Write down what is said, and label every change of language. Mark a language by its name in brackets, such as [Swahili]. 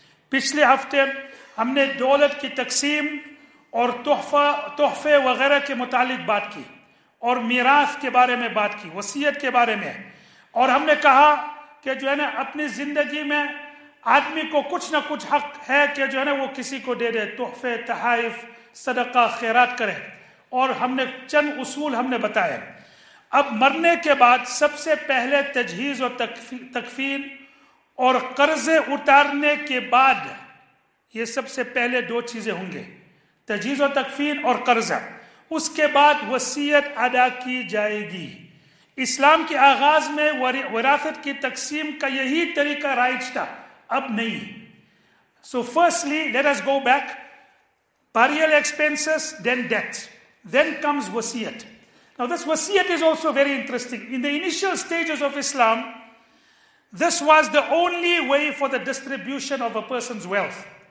[Urdu] Pichle hafte humne daulat ki taqseem aur tuhfa wagaira ke mutalliq baat ki aur mirath ke bare mein baat ki, wasiyat ke bare mein, aur humne kaha ke jo hai na apni zindagi mein آدمی کو کچھ نہ کچھ حق ہے کہ جو ہے نا وہ کسی کو دے دے, تحفے, تحائف, صدقہ, خیرات کرے, اور ہم نے چند اصول ہم نے بتائے. اب مرنے کے بعد سب سے پہلے تجہیز اور تکفین اور قرضے اتارنے کے بعد, یہ سب سے پہلے دو چیزیں ہوں گے, تجہیز اور تکفین اور قرضہ. اس کے بعد وصیت ادا کی جائے گی. اسلام کے آغاز میں وراثت کی تقسیم کا یہی طریقہ رائج تھا, اب نہیں. [English] So firstly, let us go back. Burial expenses, then debt. Then comes wasiyat. Now this wasiyat is also very interesting. In the initial stages of Islam, This was the only way for the distribution of a person's wealth.